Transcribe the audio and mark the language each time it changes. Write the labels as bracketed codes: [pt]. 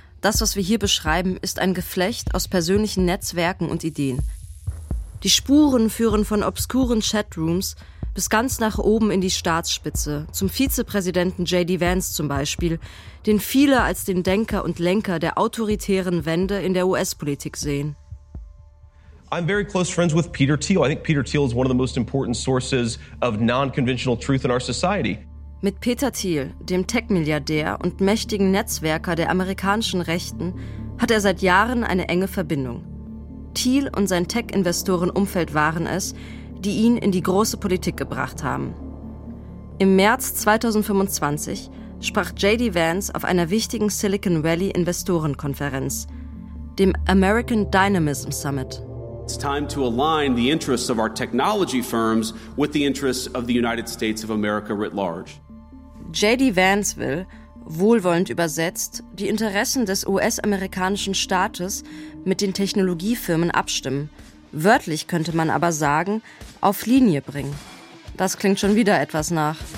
[de] Das, was wir hier beschreiben, ist ein Geflecht aus persönlichen Netzwerken und Ideen. Die Spuren führen von obskuren Chatrooms bis ganz nach oben in die Staatsspitze, zum Vizepräsidenten J.D. Vance zum Beispiel, den viele als den Denker und Lenker der autoritären Wende in der US-Politik sehen. [en] I'm very close friends with Peter Thiel. I think Peter Thiel is one of the most important sources of non-conventional truth in our society. [de] Mit Peter Thiel, dem Tech-Milliardär und mächtigen Netzwerker der amerikanischen Rechten, hat er seit Jahren eine enge Verbindung. Thiel und sein Tech-Investoren-Umfeld waren es, die ihn in die große Politik gebracht haben. Im März 2025 sprach J.D. Vance auf einer wichtigen Silicon Valley-Investorenkonferenz, dem American Dynamism Summit. [en] It's time to align the interests of our technology firms with the interests of the United States of America writ large. [de] J.D. Vance will, wohlwollend übersetzt, die Interessen des US-amerikanischen Staates mit den Technologiefirmen abstimmen. Wörtlich könnte man aber sagen, auf Linie bringen. Das klingt schon wieder etwas nach.